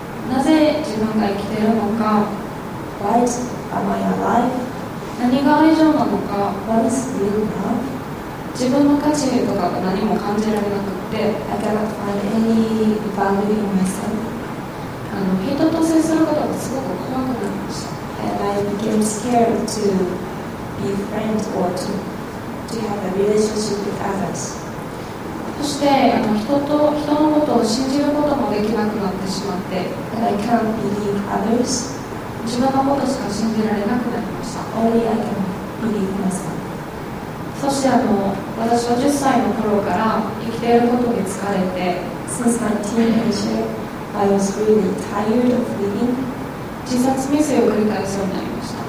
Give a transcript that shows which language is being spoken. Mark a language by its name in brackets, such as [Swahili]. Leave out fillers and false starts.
[Japanese] なぜ自分が生きているのか、 [English] Why am I alive? [Japanese] 何が愛情なのか、 [English] What is real love? [Japanese] 自分の価値とかが何も感じられなくて、 [English] I cannot find any value in myself. [Japanese] 人と接することがすごく怖くなりました。 [English] And I became scared to be friends or to have a relationship with others. [Japanese] そして人のことを信じることもできなくなってしまって、 [English] And I can't believe others. [Japanese] 自分のことしか信じられなくなりました。 [English] Only I can believe myself. [Japanese] そして私は10歳の頃から生きていることに疲れて、 [English] Since my teenage year, I was really tired of living. [Japanese] 自殺未遂を繰り返すようになりました。